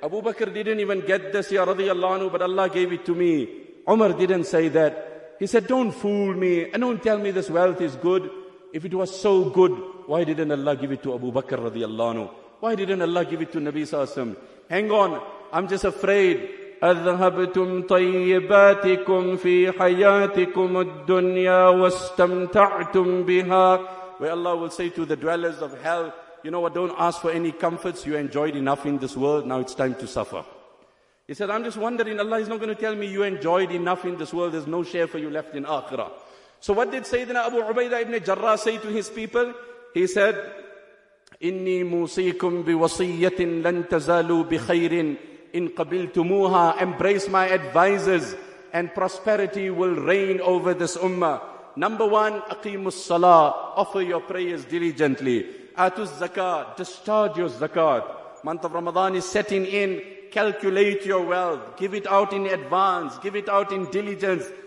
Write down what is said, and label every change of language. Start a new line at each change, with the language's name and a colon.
English: Abu Bakr didn't even get this, ya radiyallahu anhu, but Allah gave it to me. Umar didn't say that. He said, don't fool me and don't tell me this wealth is good. If it was so good, why didn't Allah give it to Abu Bakr radiallahu anhu? Why didn't Allah give it to Nabi sallallahu alayhi wa sallam? Hang on, I'm just afraid.
Arabic: أذهبتم طيباتكم في حياتكم الدنيا واستمتعتم بها.
English: Where Allah will say to the dwellers of hell, you know what, don't ask for any comforts. You enjoyed enough in this world, now it's time to suffer. He said, I'm just wondering, Allah is not going to tell me you enjoyed enough in this world. There's no share for you left in Akhirah. So what did Sayyidina Abu Ubaidah ibn Jarrah say to his people? He said,
Arabic: إني موصيكم بوصية لن تزالوا بخير إن قبلتموها.
English: Embrace my advices and prosperity will reign over this ummah. Number one,
Arabic: أقيموا الصلاة.
English: Offer your prayers diligently.
Arabic: آتوا الزكاة.
English: Discharge your zakat. Month of Ramadan is setting in. Calculate your wealth. Give it out in advance. Give it out in diligence.